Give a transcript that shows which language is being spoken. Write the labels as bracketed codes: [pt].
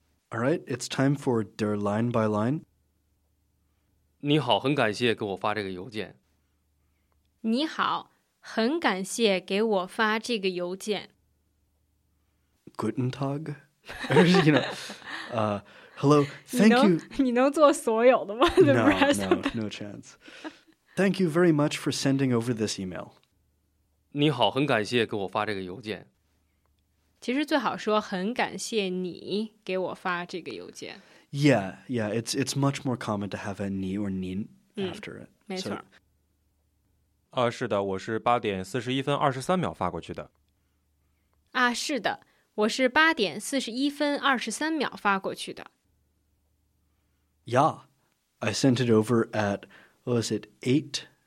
[en] All right, it's time for their line by line. [zh] 你好，很感谢给我发这个邮件。你好，很感谢给我发这个邮件。 [de] Guten Tag. [en] You know, hello, thank you. [zh] 你能做所有的吗？ [en] No, no, no chance. Thank you very much for sending over this email. [zh] 你好，很感谢给我发这个邮件。其实最好说很感谢你给我发这个邮件。 [en] Yeah, yeah, it's much more common to have a 你 or 您 after it. [zh] 没错。是的，我是8点41分23秒发过去的。啊，是的，我是8点41分23秒发过去的。 [en] Yeah, I sent it over at, what was it, 8?